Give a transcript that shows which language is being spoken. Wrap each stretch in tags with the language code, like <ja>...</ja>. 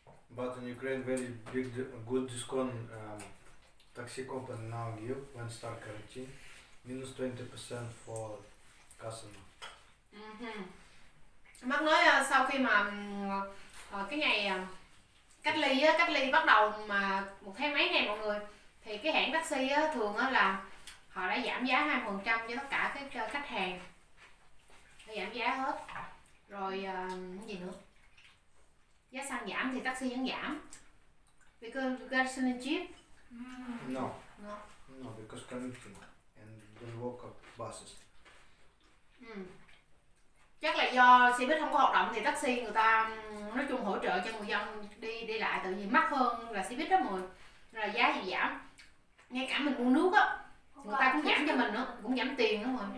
<en>But in Ukraine very big good discount taxi company now give when start quarantine. -20% for customer.</en> <vi>Bác nói sau khi mà cái ngày cách ly bắt đầu mà một tháng mấy ngày mọi người, thì cái hãng taxi thường là họ đã giảm giá 2% cho tất cả các khách hàng, đã giảm giá hết rồi. Gì nữa, giá xăng giảm thì taxi vẫn giảm.</vi> <en>Because you got some cheap. No, because commuting and don't walk up buses.</en> <vi>Chắc là do xe buýt không có hoạt động thì taxi người ta nói chung hỗ trợ cho người dân đi lại, tự nhiên mắc hơn là xe buýt đó mọi người. Rồi giá thì giảm, ngay cả mình mua nước á, người ta cũng giảm cho mình nữa, cũng giảm tiền nữa mọi</vi>